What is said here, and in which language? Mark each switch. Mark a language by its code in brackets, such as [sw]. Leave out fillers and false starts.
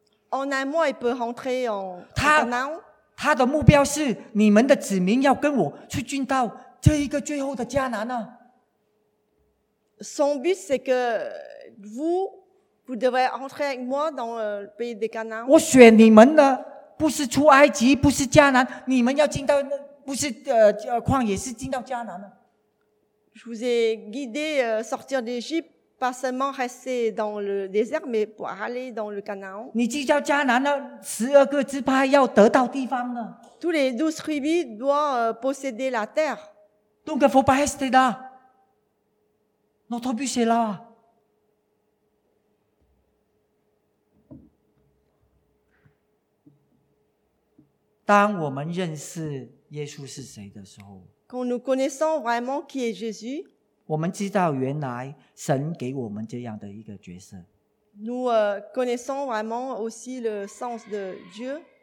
[fr] En un mois, il peut rentrer en Canaan. [zh] 他的目标是你们的子民要跟我去进到这一个最后的迦南呢。 [fr] Son but, c'est que vous devez entrer avec moi dans le pays des Canaan. [zh] 我选你们的不是出埃及，不是迦南，你们要进到不是旷野，是进到迦南的。 [fr] Je vous ai guidé sortir d'Égypte, pas seulement rester dans le désert, mais pour aller dans le Canaan. [zh] 你进到迦南的十二个支派要得到地方的。 [fr] Tous les douze tribus doivent posséder la terre. Donc, il faut pas rester là. Notre but c'est là. Quand nous connaissons vraiment qui est Jésus, nous connaissons vraiment aussi le sens de Dieu.